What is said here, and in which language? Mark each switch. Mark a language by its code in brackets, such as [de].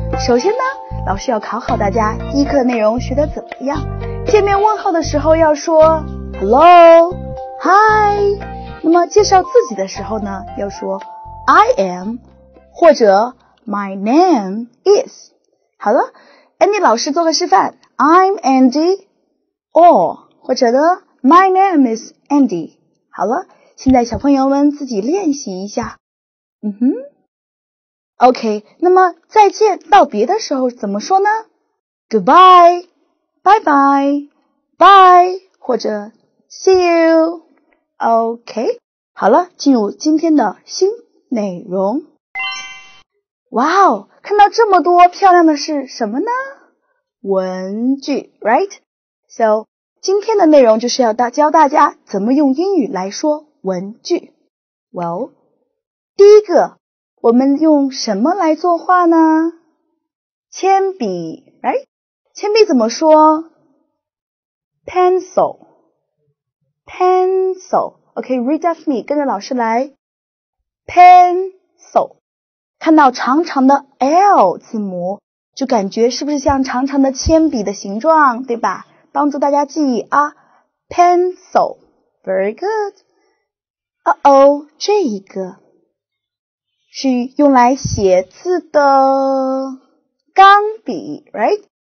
[zh] 首先呢，老师要考考大家，第一课的内容学得怎么样？见面问候的时候要说 Hello, Hi。那么介绍自己的时候呢，要说 [en] I am [zh] 或者 [en] My name is。 [zh] 好了， Andy 老师做个示范。 [en] I'm Andy or [zh] 或者呢 [en] My name is Andy。 [zh] 好了，现在小朋友们自己练习一下。嗯哼 OK, 那么再见道别的时候怎么说呢？ [en] Goodbye, Bye bye, Bye, [zh] 或者 [en] See you, OK, [zh] 好了，进入今天的新内容。哇哦，看到这么多漂亮的是什么呢？文具 ,right? So,今天的内容就是要教大家怎么用英语来说文具。 Well, 第一个，我们用什么来作画呢？铅笔 ,right? 铅笔怎么说？ [en] Pencil, pencil. OK, read after me, [zh] 跟着老师来。 Pencil, 看到长长的 L 字母，就感觉是不是像长长的铅笔的形状，对吧？帮助大家记忆啊 ,pencil, [en] very good. [zh] 哦哦，这一个是用来写字的钢笔 ,right?